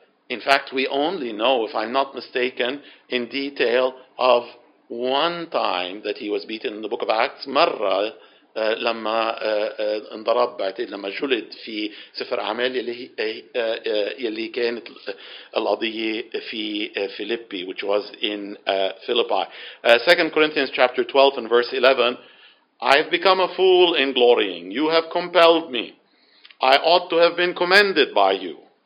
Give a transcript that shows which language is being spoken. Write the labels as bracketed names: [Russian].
[English] In fact, we only know, if I'm not mistaken, in detail of one time that he was beaten in the book of Acts. [Arabic] مرة لما انضرب بعتقد لما جلد في سفر أعمال يلي كانت القضية في فيليبي, [English] which was in Philippi. 2 Corinthians chapter 12 and verse 11, I've become a fool in glorying. You have compelled me. I ought to have been commended by you.